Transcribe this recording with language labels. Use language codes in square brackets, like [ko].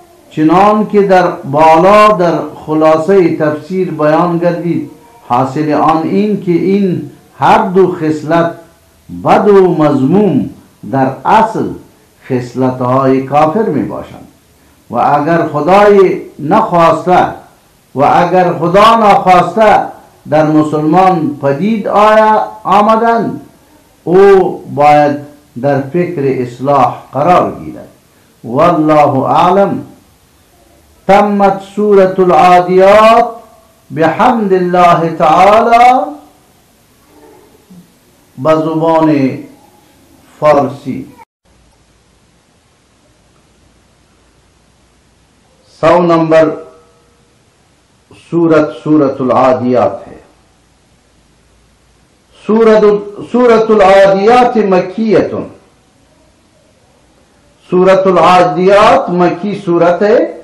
[fa] چنان که در بالا در خلاصه تفسیر بیان گردید، حاصل آن این که این هر دو خصلت بد و مذموم در اصل خصلت‌های کافر می باشند. و اگر خدای نخواسته و اگر خدا نخواسته در مسلمان پدید آمدند، او باید در فکر اصلاح قرار گیرد. [ar] والله اعلم. تمت سورة العادیات. بحمد الله تعالی [fa] به زبان فارسی. [ur] سو نمبر سورت، سورت العادیات ہے. سورت العادیات مکیت، سورت العادیات مکی سورت ہے.